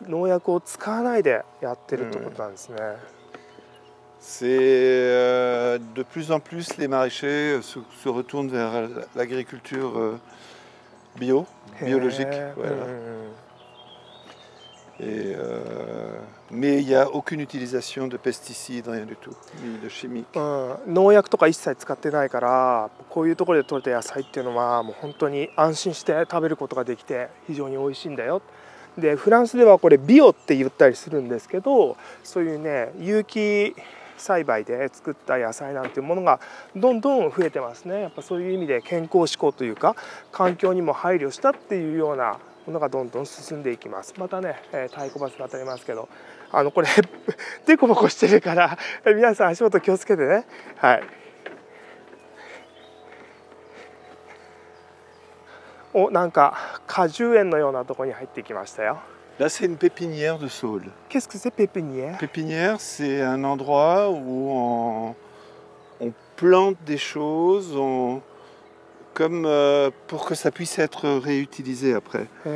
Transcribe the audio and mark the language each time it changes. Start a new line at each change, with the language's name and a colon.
Japanese: 農薬を使わないでやってるってことなんですね。
French: C'est de plus en plus les maraîchers se retournent vers l'agriculture bio, biologique. Voilà. Et mais il y a aucune utilisation de pesticides, rien du tout, ni de chimiques.
Japanese: 農薬とか一切使ってないから、こういうところで採れた野菜っていうのはもう本当に安心して食べることができて非常に美味しいんだよ。で、フランスではこれビオって言ったりするんですけど、そういうね有機栽培で作った野菜なんていうものがどんどん増えてますね。やっぱそういう意味で健康志向というか環境にも配慮したっていうようなものがどんどん進んでいきます。またね、太鼓バスが当たりますけど、あのこれデコボコしてるから皆さん足元気をつけてね。はい、お、なんか果樹園のようなところに入ってきましたよ。
French: Là, c'est une pépinière de saules. Qu'est-ce que c'est, pépinière? Pépinière, c'est un endroit où on plante des choses comme pour que ça puisse être réutilisé après.